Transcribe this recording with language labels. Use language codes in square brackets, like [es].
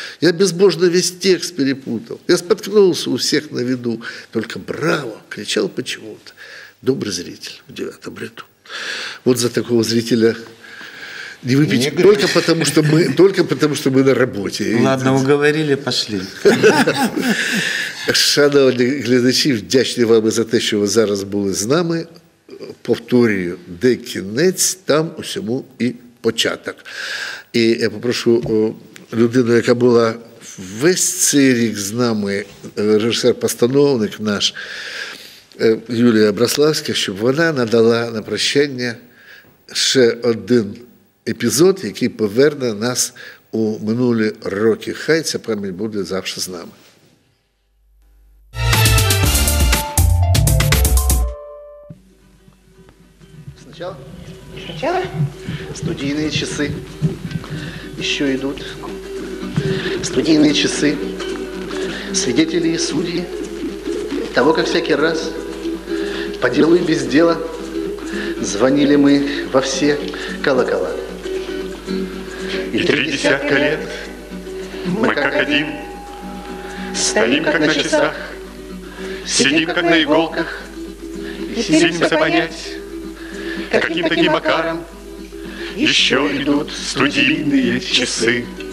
[ru] Я безбожно весь текст перепутал, я споткнулся у всех на виду, только браво!» – кричал почему-то. Добрый зритель в 9-м ряду. Вот за такого зрителя не выпить, не только потому, что мы, на работе. Ладно, уговорили, пошли. [uk] Шановні глядачі, вдячні вам за те, що ви зараз були з нами. Повторюю, де кінець, там усьому і початок. І я попрошу людину, яка була весь цей рік з нами, режисер-постановник наш Юлія Браславська, щоб вона надала на прощання ще один епізод, який поверне нас у минулі роки. Хай ця пам'ять буде завжди з нами. Спочатку? Спочатку? Студійні часи. І що йдуть? Студійні часи. Свідетелі і судді. Того, як всякий раз по ділу і без діла [ru] Звонили мы во все колокола. И три десятка лет мы как один. Стоим, как на часах, сидим, как на иголках. И силимся понять, каким-то гимакаром еще идут студийные часы.